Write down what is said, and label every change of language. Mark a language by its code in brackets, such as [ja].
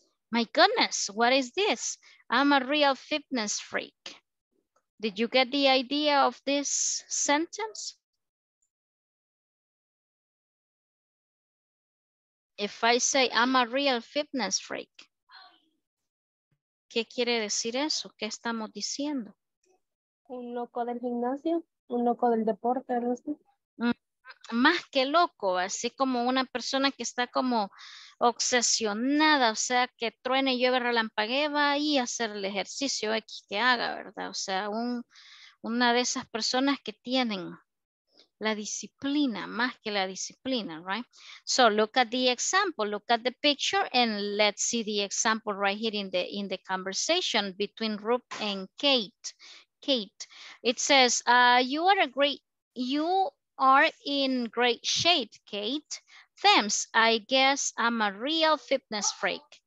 [en] My goodness, what is this? I'm a real fitness freak. Did you get the idea of this sentence? If I say I'm a real fitness freak, [es] ¿Qué quiere decir eso? ¿Qué estamos diciendo? Un loco del gimnasio, un loco del deporte, ¿no? Más que loco, así como una persona que está como obsesionada, o sea, que truene, llueve, relampaguee, va ahí a hacer el ejercicio X que haga, ¿verdad? O sea, una de esas personas que tienen la disciplina, más que la disciplina, [en] right? So look at the example, look at the picture, and let's see the example right here in the conversation between Rupe and Kate. Kate, it says, you are in great shape, Kate. Thanks, I guess I'm a real fitness freak.